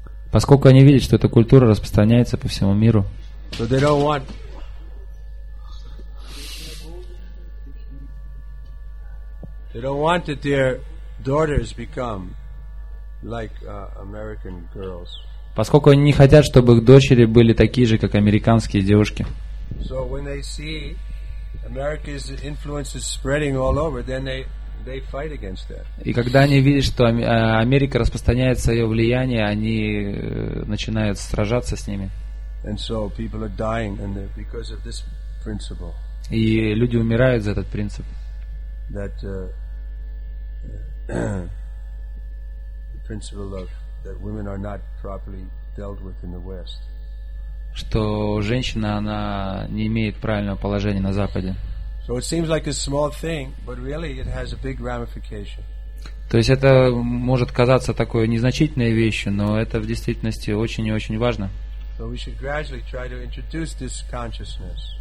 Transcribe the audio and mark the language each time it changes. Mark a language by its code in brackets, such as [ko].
[ru] Поскольку они видят, что эта культура распространяется по всему миру. [en] So they don't want. They don't want that their daughters become like American girls. [ru] Поскольку они не хотят, чтобы их дочери были такие же, как американские девушки. [en] So when they see America's influence is spreading all over, then they fight against that. [ru] И когда они видят, что Америка распространяет свое влияние, они начинают сражаться с ними. [en] And so people are dying and because of this principle. [ru] И люди умирают за этот принцип. [en] That the principle of that women are not properly dealt with in the West. [ru] Что женщина, она не имеет правильного положения на Западе. [en] So it seems like a small thing, but really it has a big ramification. [ru] То есть это может казаться такой незначительной вещью, но это в действительности очень и очень важно. [en] So we should gradually try to introduce this consciousness.